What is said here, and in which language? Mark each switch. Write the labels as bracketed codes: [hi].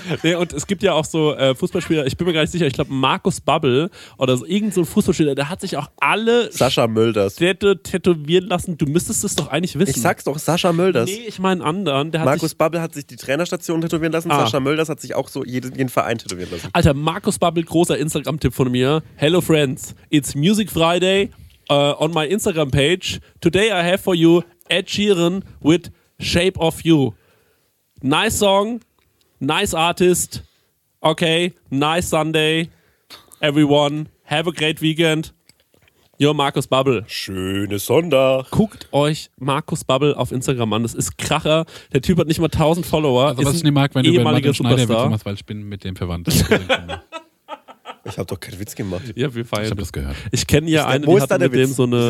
[de] Nee, und es gibt ja auch so Fußballspieler, ich bin mir gar nicht sicher, ich glaube Markus Babbel oder so, irgend so ein Fußballspieler, der hat sich auch alle Sascha Mölders Städte tätowieren lassen. Du müsstest es doch eigentlich wissen. Ich sag's doch, Sascha Mölders. Nee, ich meine anderen. Der hat Markus Babbel hat sich die Trainerstation tätowieren lassen. Ah. Sascha Mölders hat sich auch so jeden Verein tätowieren lassen. Alter, Markus Babbel, großer Instagram-Tipp von mir. [en] Hello friends, it's Music Friday on my Instagram-Page. Today I have for you Ed Sheeran with Shape of You. Nice song, nice artist. Okay, nice Sunday, everyone. Have a great weekend. Yo, Markus Babbel. [de] Schönes Sonder. Guckt euch Markus Babbel auf Instagram an. Das ist Kracher. Der Typ hat nicht mal 1000 Follower. Also, was ich nicht mag, wenn du über Martin Schneider Witz machst, weil ich bin mit dem verwandt. Ich hab doch keinen Witz gemacht. Ja, wir feiern. Ich hab das gehört. Ich kenne ja einen, der hatte mit dem so eine.